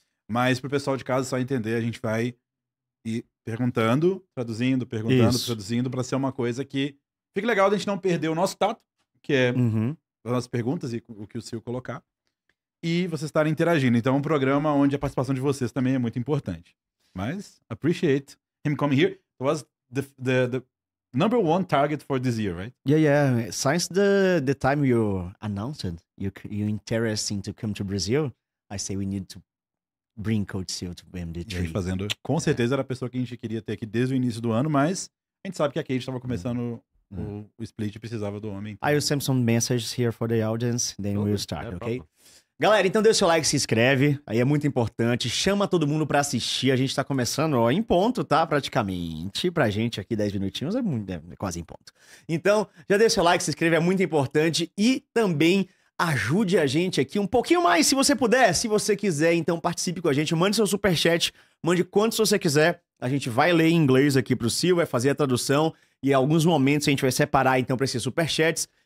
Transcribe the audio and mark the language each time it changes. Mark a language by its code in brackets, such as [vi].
[pt] Mas pro pessoal de casa só entender, a gente vai e perguntando, isso, traduzindo, para ser uma coisa que fique legal de a gente não perder o nosso tato, que é as nossas perguntas e o que o Sil colocar, e vocês estarem interagindo. Então é um programa onde a participação de vocês também é muito importante. [en] Mas, appreciate him coming here. It was the number one target for this year, right? Yeah, yeah. Since the time you announced you interesting to come to Brazil, I say we need to bring Coach SeeEl to MD3. [pt] E aí, fazendo, com certeza era a pessoa que a gente queria ter aqui desde o início do ano, mas a gente sabe que aqui a gente estava começando o split e precisava do homem. [en] Então. I will send some messages here for the audience, then we'll start, ok? [pt] Próprio. Galera, então deixa o seu like, se inscreve, aí é muito importante, chama todo mundo pra assistir, a gente tá começando, ó, em ponto, tá? Praticamente, pra gente aqui 10 minutinhos é quase em ponto. Então, já deixa o seu like, se inscreve, é muito importante e também ajude a gente aqui um pouquinho mais, se você puder, se você quiser, então participe com a gente, mande seu superchat, mande quantos você quiser, a gente vai ler em inglês aqui pro Sil, vai fazer a tradução, e em alguns momentos a gente vai separar então pra esses superchats,